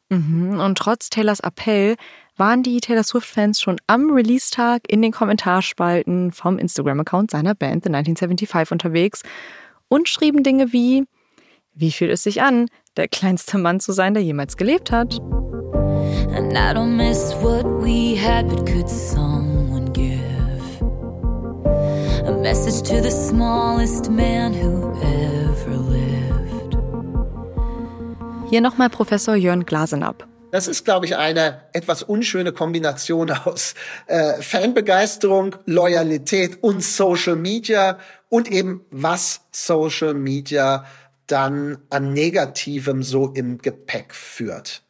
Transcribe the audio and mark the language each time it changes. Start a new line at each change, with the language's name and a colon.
German: Und trotz Taylors Appell waren die Taylor Swift-Fans schon am Release-Tag in den Kommentarspalten vom Instagram-Account seiner Band The 1975 unterwegs und schrieben Dinge wie: Wie fühlt es sich an, der kleinste Mann zu sein, der jemals gelebt hat?
English: And I don't miss what we had, but could someone give a message to the smallest man who ever lived?
German: Hier nochmal Professor Jörn Glasenapp. Das ist, glaube ich, eine etwas unschöne Kombination aus Fanbegeisterung, Loyalität und Social Media und eben, was Social Media dann an Negativem so im Gepäck führt.